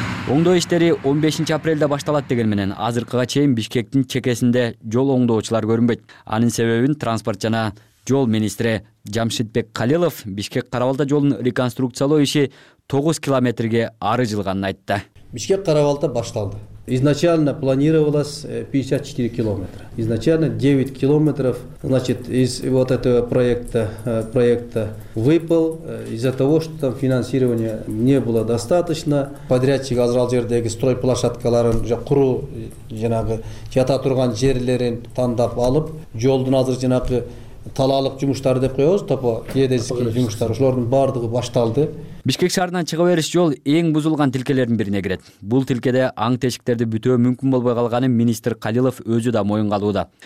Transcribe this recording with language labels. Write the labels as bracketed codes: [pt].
[ky] Оңдоо иштери 15 апрелде башталат деген менен азыркыга чейин Бишкектин чекесинде жол оңдоочулар көрүнбөйт. Анын себебин транспорт жана жол министри Жамшитбек Калилов Бишкек Карабалта жолун реконструкциялоо иши 9 километрге ары жылганын айтты. Бишкек Карабалта башталды. [ru] Изначально планировалось 54 километра. Изначально 9 километров, значит, из вот этого проекта выпал из-за того, что там финансирования не было достаточно. [ky] Подрядчик азрал жердеги стройплощадкаларын куру жанагы жата турган жерлерин тандап алып жолдун азыр жанагы талалык жумуштары деп коебуз, топо геодезийский жумуштар, ошолордун бардыгы башталды. Бишкек шаарынан чыга бериш жол эң бузулган тилкелердин бирине кирет. Бул тилкеде аң тешиктерди бүтөө мүмкүн болбой калганын министр Калилов өзү да моюнгалууда.